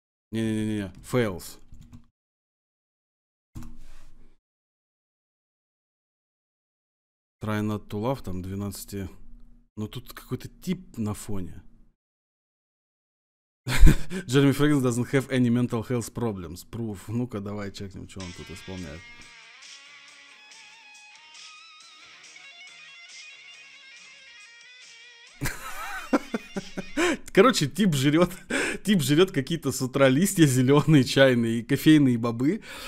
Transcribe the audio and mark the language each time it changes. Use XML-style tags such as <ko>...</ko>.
<ru>Не-не-не-не. Fails.</ru> <en>Try not to love.</en> <ru>Там 12. Но тут какой-то тип на фоне.</ru> <en>Jeremy Fragrance doesn't have any mental health problems. Proof.</en> <ru>Ну-ка, давай чекнем, что он тут исполняет. Короче, тип жрет какие-то с утра листья зеленые, чайные, и кофейные бобы.</ru>